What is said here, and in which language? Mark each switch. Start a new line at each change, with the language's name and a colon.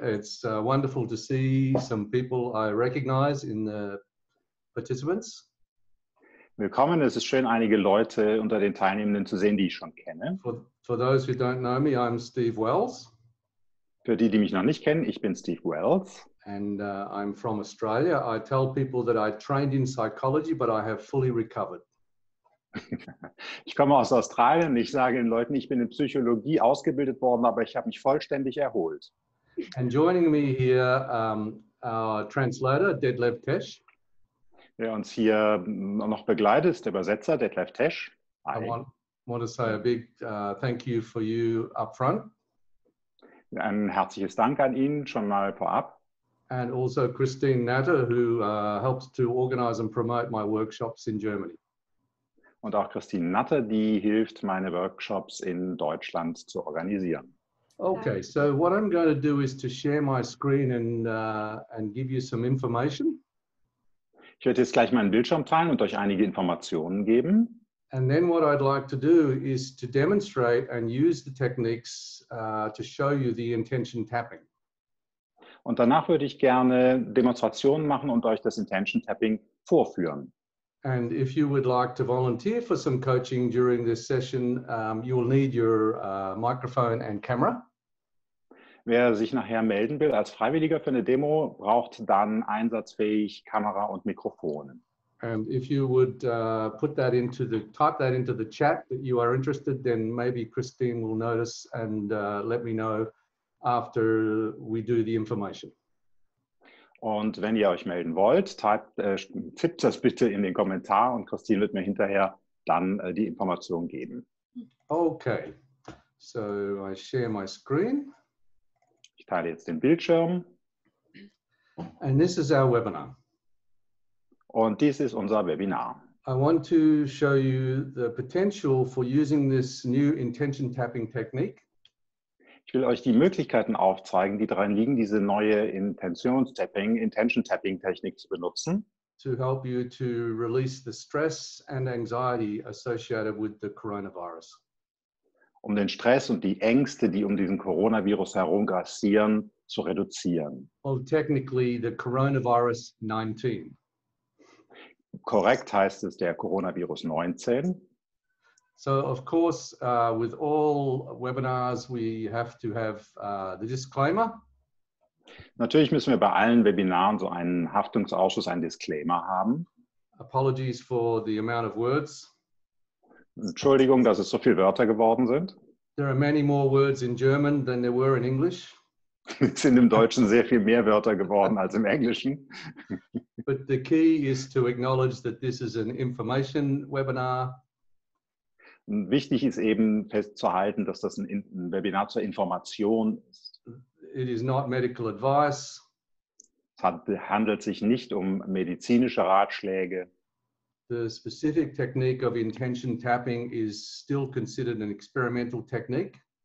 English: It's wonderful to see some people I recognize in the participants.
German: Willkommen. Es ist schön, einige Leute unter den Teilnehmenden zu sehen, die ich schon kenne.
English: For those who don't know me, I'm Steve Wells.
German: Für die, die mich noch nicht kennen, ich bin Steve Wells.
English: And I'm from Australia. I tell people that I trained in psychology, but I have fully recovered.
German: Ich komme aus Australien. Ich sage den Leuten, ich bin in Psychologie ausgebildet worden, aber ich habe mich vollständig erholt.
English: And joining me here, our translator, Detlev Tesch.
German: Wer uns hier noch begleitet, ist der Übersetzer, Detlev Tesch.
English: Hi. I want to say a big thank you for you up front.
German: Ein herzliches Dank an ihn schon mal vorab.
English: And also Christine Natter, who helps to organize and promote my workshops in Germany.
German: Und auch Christine Natter, die hilft, meine Workshops in Deutschland zu organisieren.
English: Okay, so what I'm going to do is to share my screen and give you some information.
German: Ich werde jetzt gleich meinen Bildschirm teilen und euch einige Informationen geben.
English: And then what I'd like to do is to demonstrate and use the techniques to show you the intention tapping.
German: Und danach würde ich gerne Demonstrationen machen und euch das Intention Tapping vorführen.
English: And if you would like to volunteer for some coaching during this session, you will need your microphone and camera.
German: Wer sich nachher melden will als Freiwilliger für eine Demo, braucht dann einsatzfähig Kamera und Mikrofon.
English: And if you would type that into the chat that you are interested, then maybe Christine will notice and let me know after we do the information.
German: Und wenn ihr euch melden wollt, tippt das bitte in den Kommentar und Christine wird mir hinterher dann die Information geben.
English: Okay, so I share my screen.
German: Ich teile jetzt den Bildschirm.
English: And this is our webinar.
German: Und dies ist unser Webinar.
English: I want to show you the potential for using this new intention tapping technique.
German: Ich will euch die Möglichkeiten aufzeigen, die darin liegen, diese neue Intention-Tapping, Intention-Tapping-Technik zu benutzen.
English: To help you to release the stress and anxiety associated with the coronavirus.
German: Um den Stress und die Ängste, die um diesen Coronavirus herum grassieren, zu reduzieren.
English: Well, technically the coronavirus 19.
German: Korrekt heißt es der Coronavirus 19.
English: So, of course, with all webinars, we have to have the disclaimer.
German: Natürlich müssen wir bei allen Webinaren so einen Haftungsausschuss, einen Disclaimer haben.
English: Apologies for the amount of words.
German: Entschuldigung, dass es so viele Wörter geworden sind.
English: There are many more words in German than there were in English.
German: Es sind im Deutschen sehr viel mehr Wörter geworden als im Englischen.
English: But the key is to acknowledge that this is an information webinar.
German: Wichtig ist eben festzuhalten, dass das ein Webinar zur Information ist.
English: It is not medical advice.
German: Es handelt sich nicht um medizinische Ratschläge.
English: The specific technique of intention tapping is still considered an experimental technique.